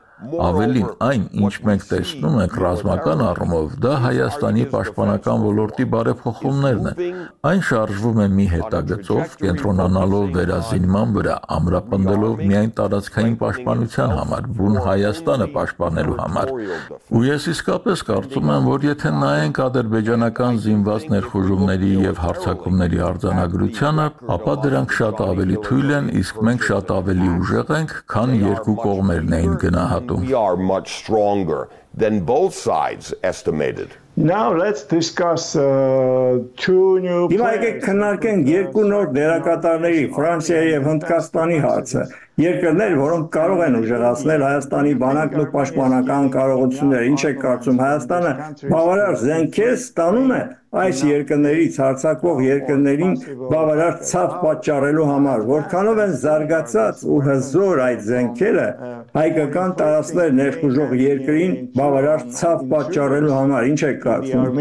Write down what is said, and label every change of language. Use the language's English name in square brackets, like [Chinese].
[Armenian] Ավելին, այն, ինչ մենք տեսնում ենք ռազմական առումով, դա Հայաստանի պաշտպանական ոլորտի բարեփոխումներն են։ Այն շարժվում է մի հետագծով, կենտրոնանալով վերազինման վրա, ամրապնդելով միայն տարածքային պաշտպանության համար, բուն Հայաստանը պաշտպանելու համար։ Ու ես իսկապես կարծում եմ, որ եթե նայենք ադրբեջանական զինված ներխուժումների և հարձակումների արձանագրությանը, ապա դրանք շատ ավելի թույլ են, իսկ մենք շատ ավելի ուժեղ ենք, քան երկու կողմերն էին գնահատում։ [English] We are much stronger than both sides estimated. Now let's discuss two new players. [Armenian] Հիմա եկեք քննարկենք երկու նոր դերակատարների՝ Ֆրանսիայի եւ Հնդկաստանի հարցը։ Երկրներ, որոնք կարող են ուժեղացնել Հայաստանի բանակն ու պաշտպանական կարողությունները, ինչ եք կարծում, Հայաստանը բավարար զենքեր ստանում է այս երկրներից հարձակվող երկրներին բավարար ցավ պատճառելու համար, որքանով են զարգացած ու հզոր այդ զենքերը հայկական տարածքներ ներխուժող երկրին բավարար ցավ պատճառելու համար, ինչ եք կարծում?